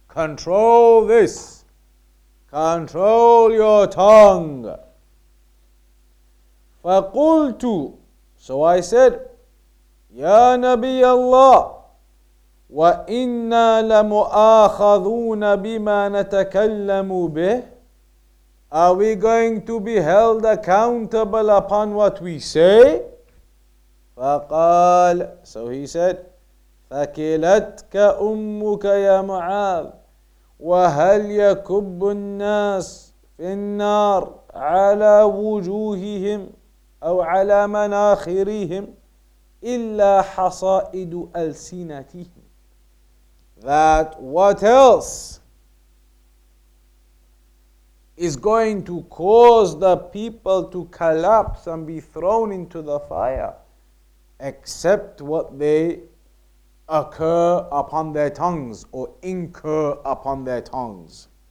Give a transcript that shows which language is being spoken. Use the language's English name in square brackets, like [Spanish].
[English] Control this. Control your tongue. [Arabic] فَقُلْتُ. [English] So I said, [Arabic] يَا نَبِيَ اللَّهِ وَإِنَّا لَمُؤَاخَذُونَ بِمَا نَتَكَلَّمُ بِهِ. [English] Are we going to be held accountable upon what we say? [Arabic] فقال. [English] So he said, [Arabic] فَكِلَتْكَ أُمُّكَ يَا مُعَاذ وَهَلْ يَكُبُّ النَّاسِ فِي النَّارِ عَلَى وُجُوهِهِمْ أَوْ عَلَى مَنَاخِرِهِمْ إِلَّا حَصَائِدُ أَلْسِنَتِهِمْ. [English] That what else is going to cause the people to collapse and be thrown into the fire except what they occur upon their tongues or incur upon their tongues.